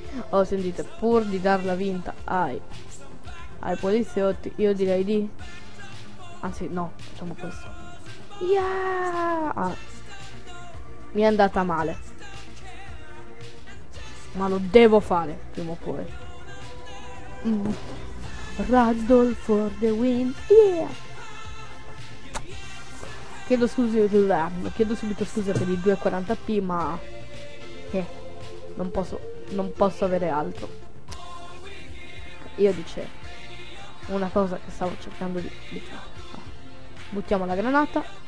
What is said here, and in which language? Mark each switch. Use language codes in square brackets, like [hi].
[it] Oh, sentite, pur di dar la vinta ai poliziotti, io direi di... Anzi, no, facciamo questo. Yeah! Ah, mi è andata male. Ma lo devo fare, prima o poi. [en] Randall for the win, yeah! [it] Chiedo subito scusa per i 240p, ma... Non posso avere altro. Io dice una cosa che stavo cercando di fare. Buttiamo la granata.